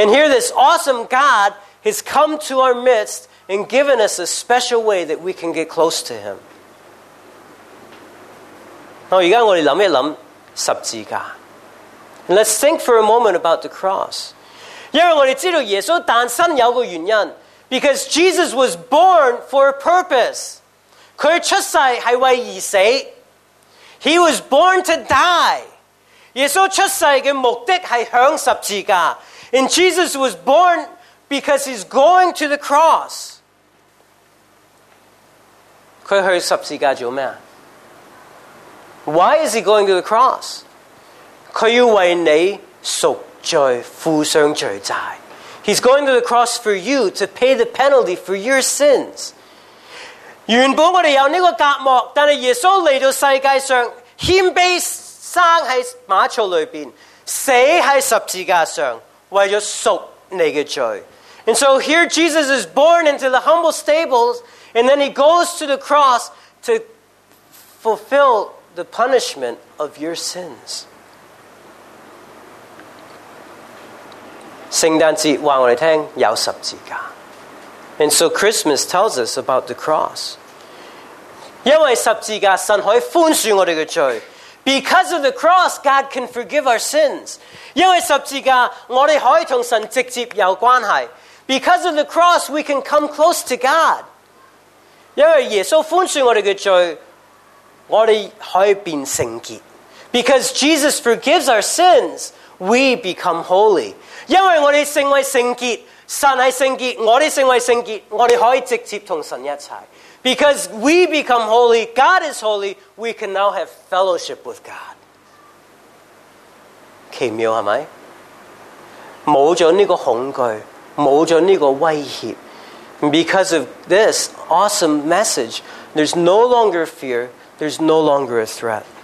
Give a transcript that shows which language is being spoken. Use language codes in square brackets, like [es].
[en] And here this awesome God has come to our midst and given us a special way that we can get close to him. [zh] 现在我们想一想十字架。 [en] And let's think for a moment about the cross. [zh] 因为我们知道耶稣诞生有个原因， [en] because Jesus was born for a purpose. [zh] 他出世是为而死。 [en] He was born to die. [zh] 耶稣出世的目的是向十字架。 [en] And Jesus was born because he's going to the cross. [zh] 他去十字架做什么？ [en] Why is he going to the cross? [zh] 他要为你赎罪。罪付上罪债。 [en] He's going to the cross for you to pay the penalty for your sins. [zh] 原本我们有这个隔膜，但是耶稣来到世界上，谦卑生在马槽里面，死在十字架上，为了赎你的罪。 [en] And so here Jesus is born into the humble stables, and then he goes to the cross to fulfill the punishment of your sins. [zh] 圣诞节告诉我们有十字架。 [en] And so Christmas tells us about the cross. [zh] 因为十字架神可以宽恕我们的罪。 [en] Because of the cross, God can forgive our sins. [zh] 因为十字架我们可以跟神直接有关系。 [en] Because of the cross, we can come close to God. [zh] 因为耶稣宽恕我们的罪，我们可以变圣洁。 [en] Because Jesus forgives our sins, we become holy. [zh] 因为我们成为圣洁，神是圣洁，我们成为圣洁，我们可以直接跟神一起。 [en] Because we become holy, God is holy, we can now have fellowship with God. [zh] 奇妙是不是？没了这个恐惧，没了这个威胁。 [en] Because of this awesome message, there's no longer fear, there's no longer a threat.